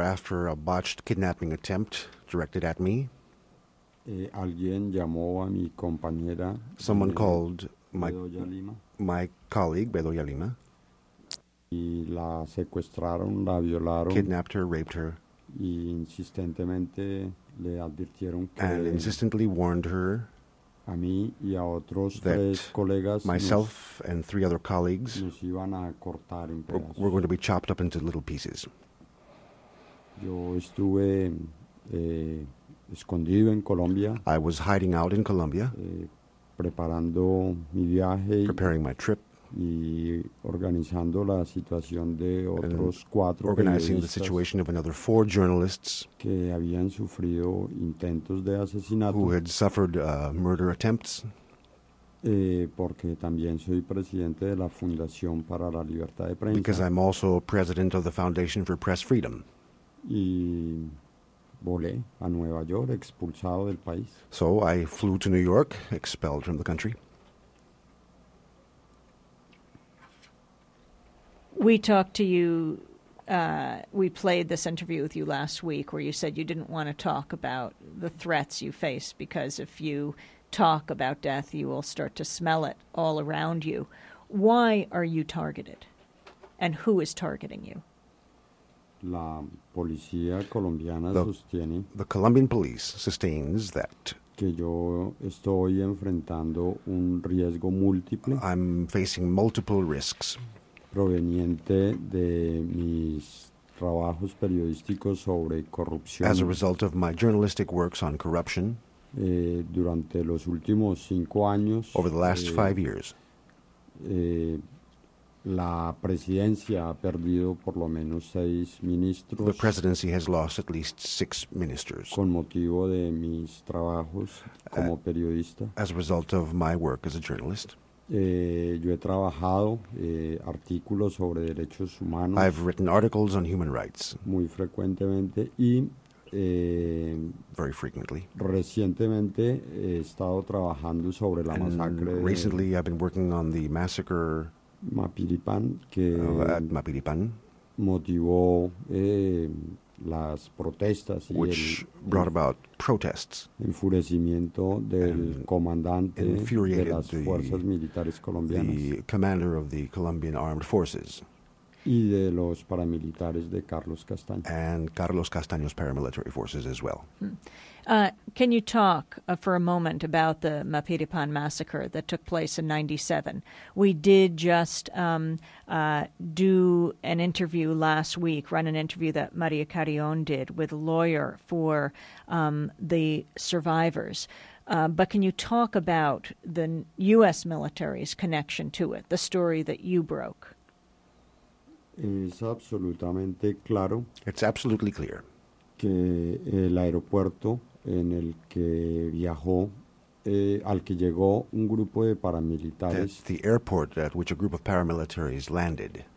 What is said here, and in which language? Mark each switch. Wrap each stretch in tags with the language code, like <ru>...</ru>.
<en>after a botched kidnapping attempt directed at me, someone called my colleague, Bedoya Lima,</en> <es>y la secuestraron, la violaron,</es> <en>kidnapped her, raped her,</en> <es>y insistentemente le advirtieron que</es> <en>and insistently warned her</en> <es>a mí y a otros</es> <en>that</en> <es>tres colegas</es> <en>myself</en> <es>nos,</es> <en>and three other colleagues</en> <es>nos iban a cortar en pedazos.</es> <en>Were going to be chopped up into little pieces.</en> <es>Yo estuve escondido en Colombia.</es> <en>I was hiding out in Colombia,</en> <es>preparando mi viaje,</es> <en>preparing my trip,</en> <es>y organizando la situación de otros cuatro,</es> <en>organizing the situation of another four journalists</en> <es>que habían sufrido intentos de asesinato,</es> <en>who had suffered murder attempts,</en> <es>porque también soy presidente de la Fundación para la Libertad de Prensa,</es> <en>because I'm also president of the Foundation for Press Freedom,</en> <es>y volé a Nueva York, expulsado del país.</es> <en>So I flew to New York, expelled from the country. We talked to you, we played this interview with you last week where you said you didn't want to talk about the threats you face because if you talk about death, you will start to smell it all around you. Why are you targeted? And who is targeting you?</en> <es>La policía colombiana sostiene,</es> <en>the Colombian police sustains that</en> <es>que yo estoy enfrentando un riesgo múltiple.</es> <en>I'm facing multiple risks.</en> <es>Proveniente de mis trabajos periodísticos sobre corrupción.</es> <en>As a result of my journalistic works on corruption,</en> <es>durante los últimos cinco años,</es> <en>over the last 5 years,</en> <es>la presidencia ha perdido por lo menos seis ministros.</es> <en>The presidency has lost at least six ministers.</en> <es>Con motivo de mis trabajos como periodista.</es> <en>As a result of my work as a journalist.</en> <es>Yo he trabajado artículos sobre derechos humanos.</es> <en>I've written articles on human rights.</en> <es>Muy frecuentemente y</es> <en>very frequently.</en> <es>Recientemente he estado trabajando sobre la masacre.</es> <en>Recently I've been working on the massacre</en> <es>Mapiripán, que</es> <en>at Mapiripán,</en> <es>motivó las protestas,</es> <en>which brought about protests,</en> <es>enfurecimiento del comandante de las fuerzas militares colombianas,</es> <en>the commander of the Colombian Armed Forces.</en> <es>y de los paramilitares de Carlos Castaño.</es> <en>And Carlos Castaño's paramilitary forces as well. Can you talk for a moment about the Mapiripan massacre that took place in 97? We did just do an interview last week, run an interview that Maria Carrion did with a lawyer for the survivors. But can you talk about the U.S. military's connection to it, the story that you broke?</en> <es>Es absolutamente claro.</es> <en>It's absolutely clear.</en> <es>Que el aeropuerto en el que viajó, al que llegó un grupo de paramilitares.</es> <en>That's the airport at which a group of paramilitaries landed.</en>